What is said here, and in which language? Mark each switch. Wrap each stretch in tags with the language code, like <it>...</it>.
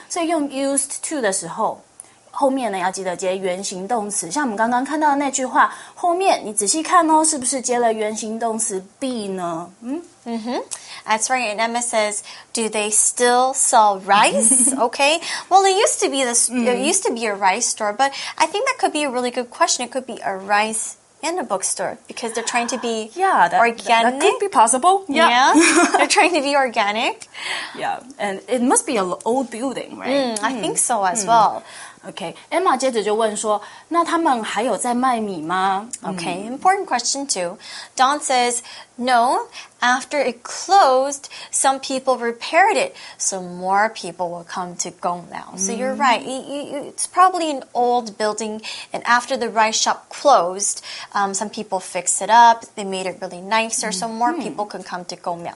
<zh>所以用 used to 的时候，后面呢要记得接原形动词。像我们刚刚看到的那句话，后面你仔细看哦，是不是接了原形动词 be 呢？</zh> <en>Mm-hmm. That's right. And Emma says, do they still sell rice? Okay. Well, it used to be a rice store, but I think that could be a really good question. It could be a rice in a bookstore because they're trying to be organic. That could be possible. Yeah. Yeah. They're trying to be organic. Yeah. And it must be an old building, right? I think so as well.</en> <zh>Okay, Emma 接着就问说，那他们还有在卖米吗？</zh> <en>Okay, important question too. Don says, no, after it closed, some people repaired it, so more people will come to Gonglao. So you're right, it's probably an old building, and after the rice shop closed, some people fixed it up, they made it really nicer, so more people can come to Gonglao.</en>